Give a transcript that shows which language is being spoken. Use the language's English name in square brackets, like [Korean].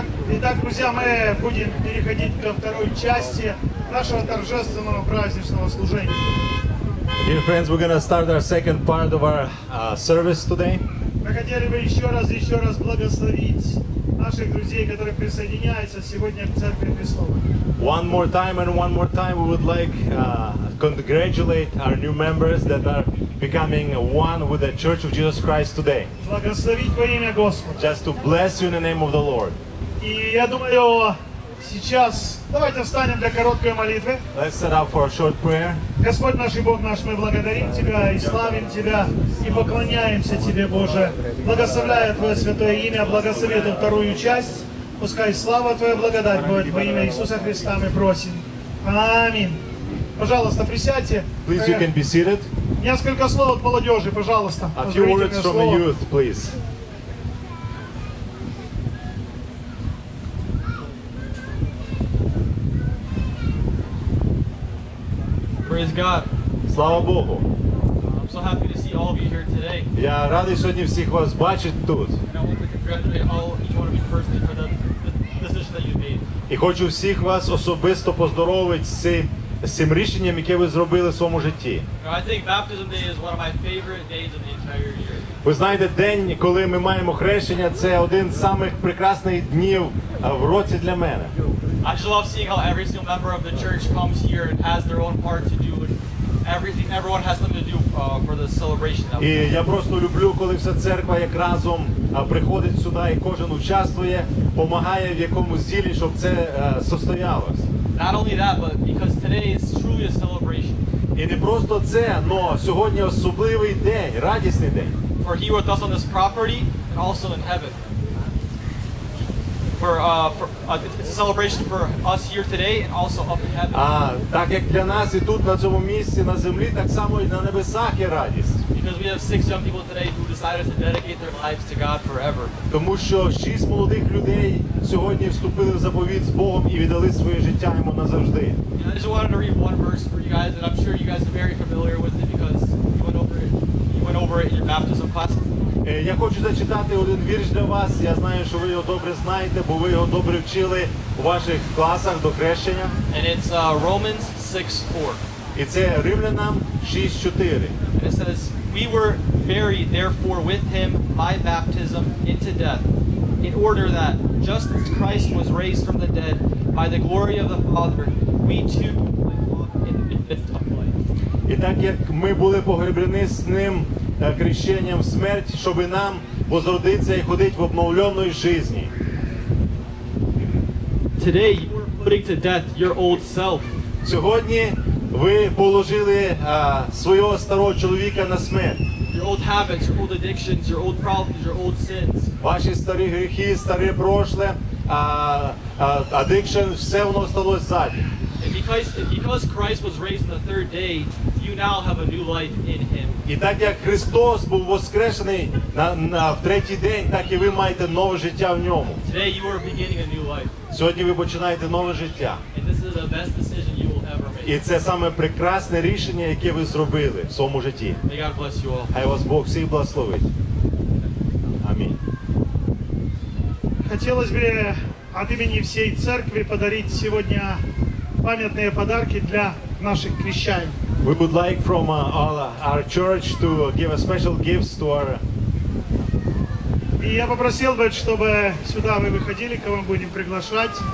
[Russian] Итак, друзья, мы будем переходить ко второй части нашего торжественного праздничного служения. [English] Dear friends, we're going to start our second part of our service today. [Russian] Мы хотели бы еще раз благословить наших друзей, которые присоединяются сегодня к Церкви Христовой. [English] One more time, we would like congratulate our new members that are becoming one with the Church of Jesus Christ today. [Russian] Благословить во имя Господа. [English] Just to bless you in the name of the Lord. [Russian] И я думаю, сейчас давайте встанем для короткой молитвы. [English] Let's set up for a short prayer. [Russian] Господь наш и Бог наш, мы благодарим Тебя и славим Тебя и поклоняемся Тебе, Боже. Благословляя Твое святое имя, благослови эту вторую часть. Пускай слава Твоя, благодать будет во имя Иисуса Христа, мы просим. Аминь. Пожалуйста, присядьте. [English] Please, you can be seated. [Russian] Несколько слов от молодежи, пожалуйста. [English] A few words from the youth, please. Praise God. [Russian] Слава Богу. [English] I'm so happy to see all of you here today. [Ukrainian] Я радий сьогодні всіх вас бачити тут. [English] And I want to congratulate all each one of you personally for the decision that you've made. [Ukrainian] І хочу всіх вас особисто поздоровити з цим рішенням, яке ви зробили в своєму житті. [English] I think baptism day is one of my favorite days of the entire year. [Ukrainian] Ви знаєте, день, коли ми маємо хрещення, це один з самих прекрасних днів в році для мене. [English] I just love seeing how every single member of the church comes here and has their own part to do. Everything, everyone has something to do for the celebration. [Ukrainian] І я просто люблю, коли вся церква як разом приходить сюди і кожен участвує, допомагає в якомусь ділі, щоб це состоялось. [English] Not only that, but because today is truly a celebration. [Ukrainian] І не просто це, но сьогодні особливий день, радісний день. [English] For he with us on this property and also in heaven. It's a celebration for us here today and also up in heaven. [Ukrainian] Так як для нас і тут на цьому місці на землі, так само і на небесах є радість. [English] Because we have 6 young people today who decided to dedicate their lives to God forever. [Ukrainian] Тому що 6 молодих людей сьогодні вступили в заповіт з Богом і віддали своє життя йому назавжди. [English] And I just wanted to read one verse for you guys, and I'm sure you guys are very familiar with it because you went over it in your baptism class. [Ukrainian] Я хочу зачитати один вірш для вас. Я знаю, що ви його добре знаєте, бо ви його добре вчили у ваших класах до хрещення. [English] And it's Romans 6:4. [Ukrainian] І це Римлянам 6:4. [English] And it says, we were buried therefore with him by baptism into death, in order that just as Christ was raised from the dead by the glory of the Father, we too might walk in the fifth of life. [Ukrainian] І так як ми були погребені з ним та хрещенням смерть, щоб нам возродитися і ходити в обновленій житті. [English] Today you are putting to death your old self. [Ukrainian] Сьогодні ви положили свого старого чоловіка на смерть. [English] Your old habits, your old addictions, your old problems, your old sins. [Ukrainian] Ваші старі гріхи, старе прошле, addiction, все воно сталося ззаді. [English] And because Christ was raised on the third day, you now have a new life in him. [Ukrainian] І так як Христос був воскрешений в третій день, так і ви маєте нове життя в ньому. [English] Today you are beginning a new life. [Ukrainian] Сьогодні ви починаєте нове життя. [English] And this is the best decision you will ever make. [Ukrainian] І це саме прекрасне рішення, яке ви зробили в своєму житті. [English] May God bless you all. [Ukrainian] Хай вас Бог всіх благословить. Амінь. Хотілося б від імені всієї церкви подарити сьогодні пам'ятні подарунки для наших хрещаних. [English] We would like from our church to give a special gifts to our... [Ukrainian] І я попросив би, щоб сюди ви виходили, кого ми будемо приглашати.